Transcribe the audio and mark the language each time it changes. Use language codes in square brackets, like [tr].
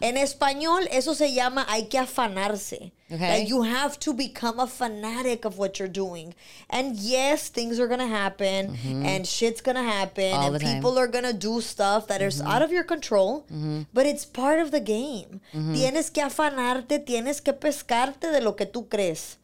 [es] En español, eso se llama hay que afanarse. [en] Okay. That you have to become a fanatic of what you're doing. And yes, things are going to happen and shit's going to happen. All and people time. Are going to do stuff that is out of your control, but it's part of the game. Mm-hmm. [es] Tienes que afanarte, tienes que pescarte de lo que tú crees.